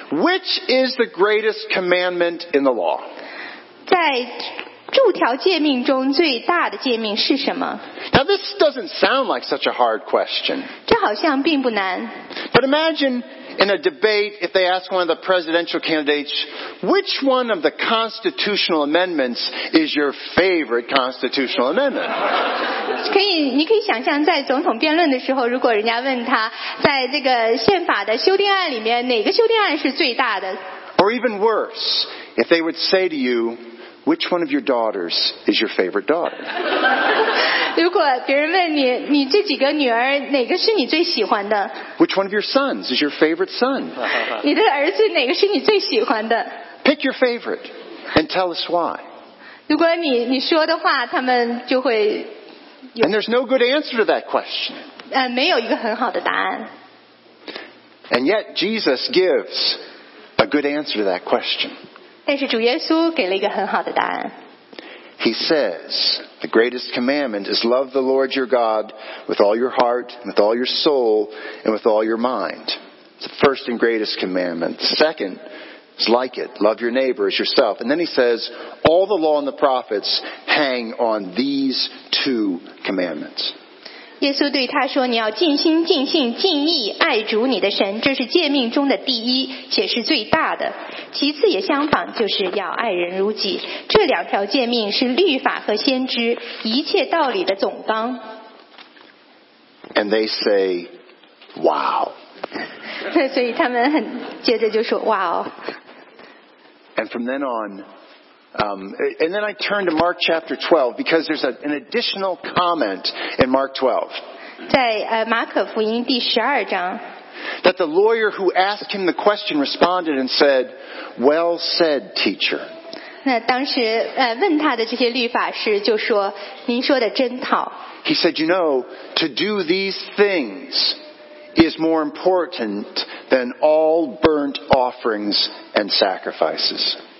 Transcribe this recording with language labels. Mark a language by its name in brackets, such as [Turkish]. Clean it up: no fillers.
[English] Which is the greatest commandment in the law? [Chinese] 在诸条诫命中最大的诫命是什么？ [English] Now this doesn't sound like such a hard question. [Chinese] 这好像并不难。 [English] But imagine in a debate if they ask one of the presidential candidates, which one of the constitutional amendments is your favorite constitutional amendment? [Chinese] 你可以想象，在总统辩论的时候，如果人家问他，在这个宪法的修订案里面，哪个修订案是最大的？ [English] Or even worse, if they would say to you, which one of your daughters is your favorite daughter? [Chinese] 如果别人问你，你这几个女儿哪个是你最喜欢的？ [English] Which one of your sons is your favorite son? [Chinese] 你的儿子哪个是你最喜欢的？ [English] Pick your favorite and tell us why. [Chinese] 如果你说的话，他们就会。 [English] And there's no good answer to that question. [Chinese] 没有一个很好的答案。 [English] And yet Jesus gives a good answer to that question. [Chinese] 但是主耶稣给了一个很好的答案。 [English] He says, the greatest commandment is love the Lord your God with all your heart, with all your soul, and with all your mind. It's the first and greatest commandment. The second is like it, love your neighbor as yourself. And then he says, all the law and the prophets hang on these two commandments. [Chinese] 耶稣对他说，你要尽心尽性尽意爱主你的神，这是诫命中的第一，且是最大的。其次也相仿，就是要爱人如己。这两条诫命是律法和先知一切道理的总纲。 [English] And they say, wow. [Chinese] 所以他们很接着就说，哇哦。 [English] And from then on, and then I turn to Mark chapter 12 because there's an additional comment in Mark 12. [Chinese] 在马可福音第十二章。 [English] That the lawyer who asked him the question responded and said, "Well said, teacher." [Chinese] 那当时问他的这些律法师就说，您说的真好。 [English] He said, "You know, to do these things is more important than all burnt offerings and sacrifices."